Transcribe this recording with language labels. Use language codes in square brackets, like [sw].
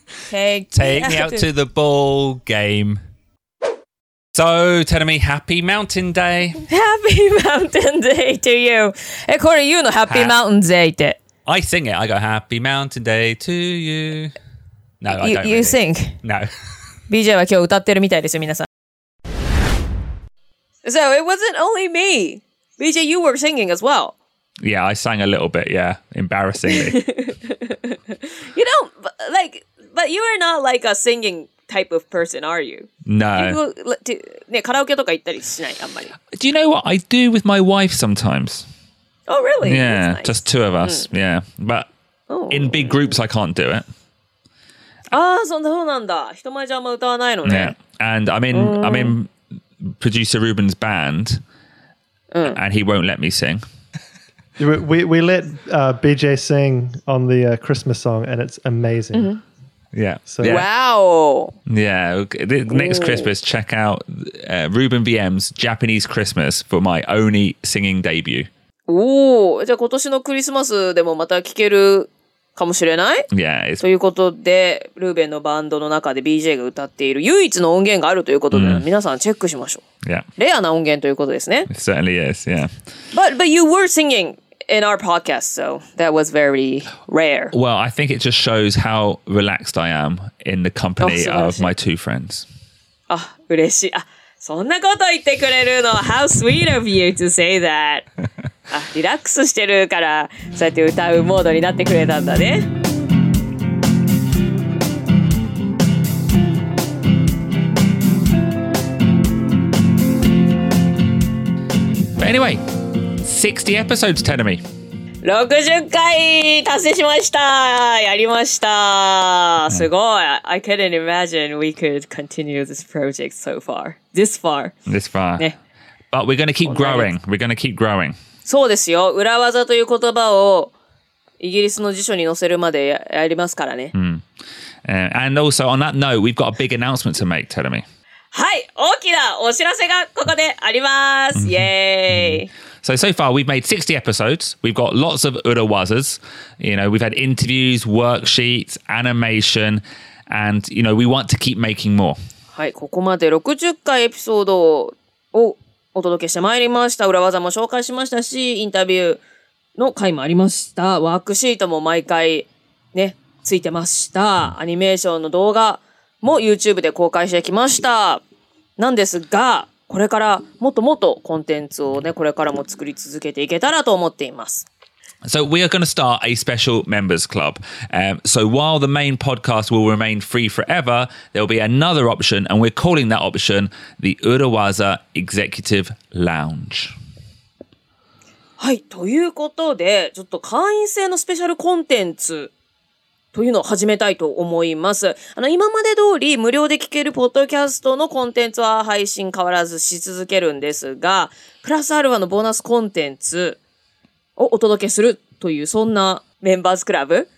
[en] Take me out to the ball game. So, Terumi, Happy Mountain Day! Happy Mountain Day to you! え、これ言うの Happy Mountain Day って。 I sing it. I go, Happy Mountain Day to you. No, I don't. You sing? No. [ja] BJ は今日歌ってるみたいですよ、皆さん。 [en] So, it wasn't only me. BJ, you were singing as well. Yeah, I sang a little bit, yeah. Embarrassingly. You don't, like, but you are not like a singingtype of person, are you? No. [ja] Karaoke とか行ったりしない、あんまり。 [en] Do you know what I do with my wife sometimes? Oh, really? Yeah, nice. Just two of us. Yeah, but in big groups, I can't do it. [ja] Ah, そんなそうなんだ。人前じゃあんま歌わないのね。 [en] Yeah, and I'm in producer Ruben's band, and he won't let me sing. we let BJ sing on the Christmas song, and it's amazing. Mm-hmm. Yeah. So, yeah. Wow. Yeah. Next Christmas, check out Ruben VM's Japanese Christmas for my only singing debut. [ja] Oh, じゃあ今年のクリスマスでもまた聞けるかもしれない? [en] Yeah. [ja] ということで、ルーベンのバンドの中で BJ が歌っている唯一の音源があるということで、皆さんチェックしましょう。 [en] Yeah. [ja] レアな音源ということですね。 [en] It certainly is, yeah. But you were singing. In our podcast, so that was very rare. Well, I think it just shows how relaxed I am in the company of my two friends. [ja] Ah, 嬉しい。そんなこと言ってくれるの。 [en] How sweet of you to say that. [ja] リラックスしてるから、そうやって歌うモードになってくれたんだね。 [en] But anyway. 60 episodes, Terumi. [ja] 60回達成しました。やりました。すごい。 [en] I couldn't imagine we could continue this project so far. This far. This far. ね。But we're gonna keep growing. We're gonna keep growing. [ja] そうですよ。裏技という言葉をイギリスの辞書に載せるまでやりますからね。 [en] And also, on that note, we've got a big announcement to make, Terumi. [ja] はい。大きなお知らせがここであります。イエーイ。 [en] So far we've made 60 episodes. We've got lots of urawazas. You know, we've had interviews, worksheets, animation, and you know, we want to keep making more. [ja] はい、ここまで60回エピソードをお届けしてまいりました。裏技も紹介しましたし、インタビューの回もありました。ワークシートも毎回ね、ついてました。アニメーションの動画も YouTube で公開してきました。なんですが、これからもっともっとコンテンツをね、これからも作り続けていけたらと思っています。 [en] So we are going to start a special members club. So while the main podcast will remain free forever, there will be another option, and we're calling that option the Urawaza Executive Lounge. [ja] はい、ということで、ちょっと会員制のスペシャルコンテンツというのを始めたいと思います。あの、今まで通り無料で聞けるポッドキャストのコンテンツは配信変わらずし続けるんですが、プラスアルファのボーナスコンテンツ、をお届けするというそんなメンバーズクラブ、